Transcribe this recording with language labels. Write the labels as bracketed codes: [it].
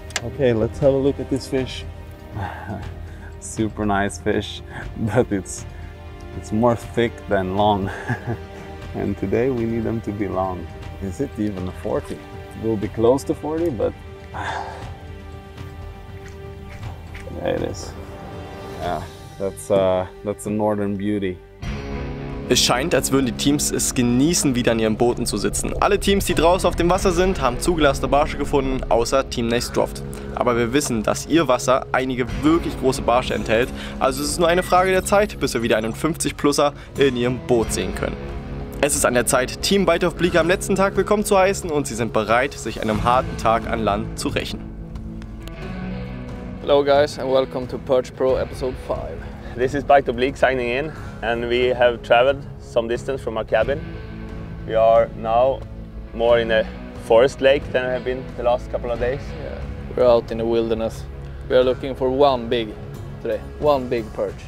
[en] Okay, let's have a look at this fish. Super nice fish, but it's more thick than long. And today we need them to be long. Is it even a 40? We'll be close to 40, but there it is. Yeah, that's a northern beauty. [de] Es scheint, als würden die Teams es genießen, wieder in ihren Booten zu sitzen. Alle Teams, die draußen auf dem Wasser sind, haben zugelassene Barsche gefunden, außer Team Stroft. Aber wir wissen, dass ihr Wasser einige wirklich große Barsche enthält. Also es ist nur eine Frage der Zeit, bis wir wieder einen 50-Pluser in ihrem Boot sehen können. Es ist an der Zeit, Team Bite of Bleak am letzten Tag willkommen zu heißen und sie sind bereit, sich einem harten Tag an Land zu rächen. [en] Hello guys and welcome to PERCH PRO episode 5. This is Bite of Bleak signing in and we have traveled some distance from our cabin. We are now more in a forest lake than we have been the last couple of days. Yeah. We're out in the wilderness. We are looking for one big today, one big perch.